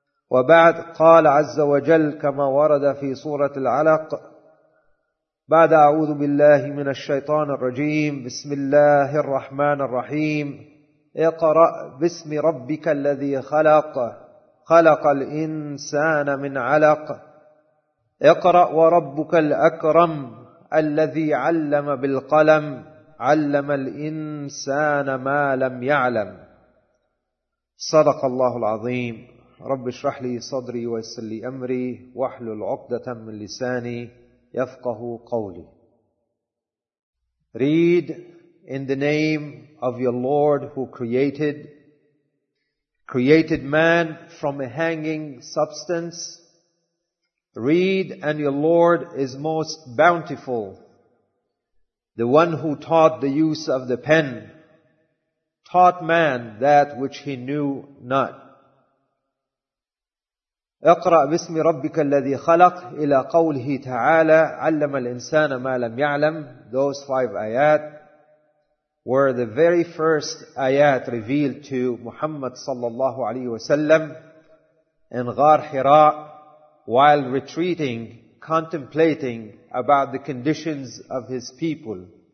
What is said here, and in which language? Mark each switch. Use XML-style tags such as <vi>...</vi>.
<ar>وبعد، قال عز وجل كما ورد في سورة العلق بعد: أعوذ بالله من الشيطان الرجيم، بسم الله الرحمن الرحيم، اقرأ باسم ربك الذي خلق، خلق الإنسان من علق، اقرأ وربك الأكرم الذي علم بالقلم، علم الإنسان ما لم يعلم. صدق الله العظيم. رب اشرح لي صدري ويسر لي أمري واحلل عقدة من لساني يفقه قولي.</ar> <en>Read in the name of your Lord who created man from a hanging substance. Read, and your Lord is most bountiful, the one who taught the use of the pen, taught man that which he knew not.</en> <ar>اقرأ باسم ربك الذي خلق إلى قوله تعالى علم الإنسان ما لم يعلم.</ar> <en>Those five ayat were the very first ayat revealed to Muhammad</en> <ar>صلى الله عليه وسلم</ar> <en>in غار حراء, while retreating, contemplating about the conditions of his people.</en>